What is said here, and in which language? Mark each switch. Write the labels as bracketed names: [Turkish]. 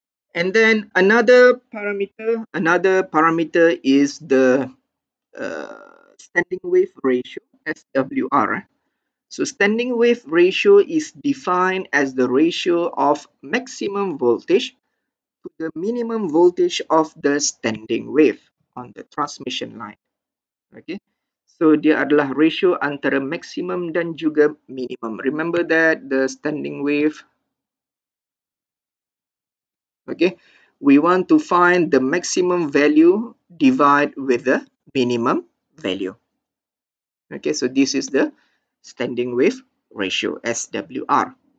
[English] And then another parameter is the standing wave ratio, SWR. So standing wave ratio is defined as the ratio of maximum voltage to the minimum voltage of the standing wave on the transmission line. [Malay] Okay, so dia adalah ratio antara maximum dan juga minimum. [English] Remember that the standing wave, okay, we want to find the maximum value divided with the minimum value. Okay, so this is the standing wave ratio, SWR.